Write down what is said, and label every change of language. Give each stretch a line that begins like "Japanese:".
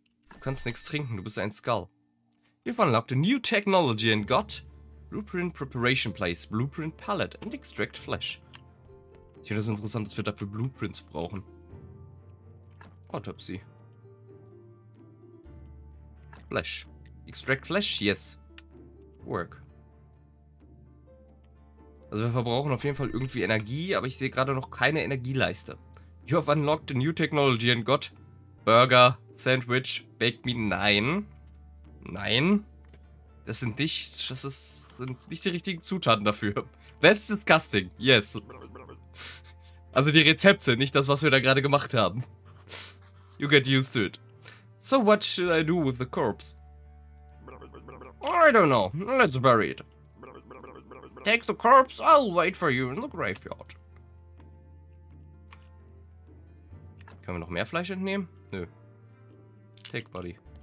German: Du kannst nichts trinken, du bist ein Skull.
English: You've unlocked a new technology and got blueprint preparation place, blueprint palette and extract flesh.
German: Ich finde es interessant, dass wir dafür Blueprints brauchen.
English: Autopsy. Flesh. Extract flesh, yes. Work.
German: Also wir verbrauchen auf jeden Fall irgendwie Energie, aber ich sehe gerade noch keine Energieleiste.
English: You have unlocked a new technology and got Burger, Sandwich, Baked Meat.
German: Nein. Nein. Das sind nicht die richtigen Zutaten dafür.
English: That's disgusting. Yes.
German: Also die Rezepte, nicht das, was wir da gerade gemacht haben.
English: You get used to it. So what should I do with the corpse? I don't know. Let's bury it. Take the corpse, I'll wait for you in the graveyard.
German: Können wir noch mehr Fleisch entnehmen? Nö.
English: Take body.